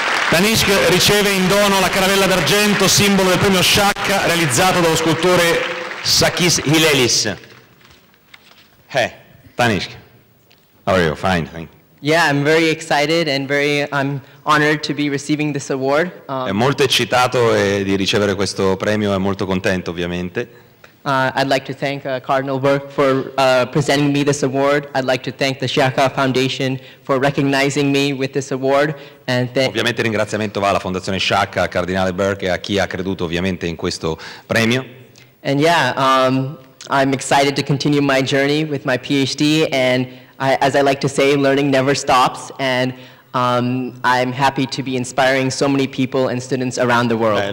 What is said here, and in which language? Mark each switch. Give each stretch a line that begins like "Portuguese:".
Italian: Tanishq riceve in dono la caravella d'argento, simbolo del premio Sciacca, realizzato dallo scultore Sakis Hilelis.
English: Hey, Tanishq, how are you? Fine, thank you. Yeah, I'm very excited and I'm honored to be receiving this award.
Italian: È molto eccitato di ricevere questo premio, è molto contento, ovviamente.
English: I'd like to thank Cardinal Burke for presenting me this award. I'd like to thank the Sciacca Foundation for recognizing me with this award. And
Italian: ovviamente il ringraziamento va alla Fondazione Sciacca, a Cardinale Burke e a chi ha creduto ovviamente in questo premio.
English: And yeah, I'm excited to continue my journey with my PhD, and as I like to say, learning never stops, and I'm happy to be inspiring so many people and students around the world.